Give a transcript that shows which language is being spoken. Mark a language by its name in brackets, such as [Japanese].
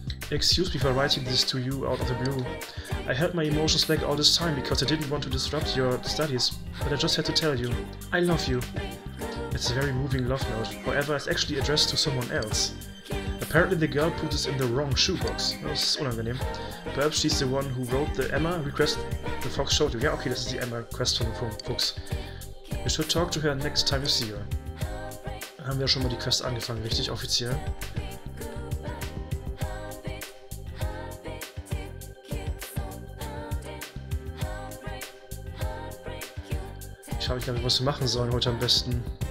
[English] Excuse me for writing this to you out of the blue. I held my emotions back all this time because I didn't want to disrupt your studies, but I just had to tell you. I love you. It's a very moving love note. However, it's actually addressed to someone else. Apparently the girl put this in the wrong shoebox. [German] Das ist unangenehm. [English] Perhaps she's the one who wrote the Emma request the fox showed you. [German] Ja, okay, das ist die Emma request von dem Fuchs. [English] You should talk to her next time you see her. [German] Dann haben wir schon mal die Quest angefangen, richtig offiziell. Ich glaube, was wir machen sollen heute am besten.